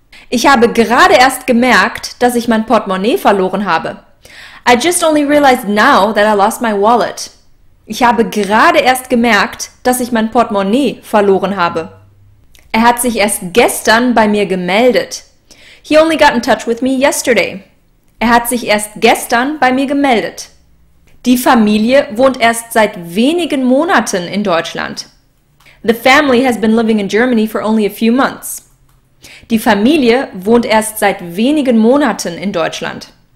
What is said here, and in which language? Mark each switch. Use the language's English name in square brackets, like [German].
[German] Ich habe gerade erst gemerkt, dass ich mein Portemonnaie verloren habe. [English] I just only realized now that I lost my wallet. [German] Ich habe gerade erst gemerkt, dass ich mein Portemonnaie verloren habe. Er hat sich erst gestern bei mir gemeldet. [English] He only got in touch with me yesterday. [German] Er hat sich erst gestern bei mir gemeldet. Die Familie wohnt erst seit wenigen Monaten in Deutschland. [English] The family has been living in Germany for only a few months. [German] Die Familie wohnt erst seit wenigen Monaten in Deutschland.